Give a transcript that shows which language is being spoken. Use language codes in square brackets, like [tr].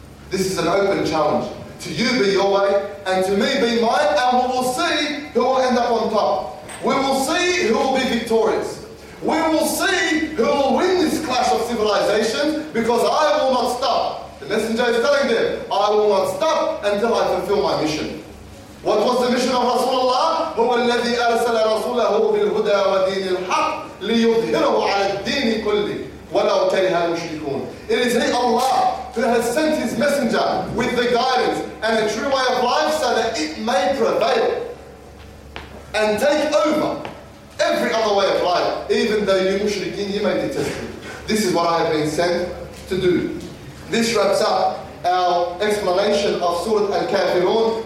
[en] This is an open challenge. To you be your way, and to me be mine, and we will see who will end up on top. We will see who will be victorious. We will see who will win this clash of civilizations, because I will not stop. The messenger is telling them, I will not stop until I fulfill my mission. What was the mission of Rasulullah? [ar] هو الذي أرسل رسوله بالهدى ودين الحق ليظهره على الدين كله ولو كره المشركون. [en] It is he, Allah, who has sent his messenger with the guidance and a true way of life so that it may prevail and take over every other way of life, even though you usually didn't even detest me. This is what I have been sent to do. This wraps up our explanation of Surah Al-Kafirun.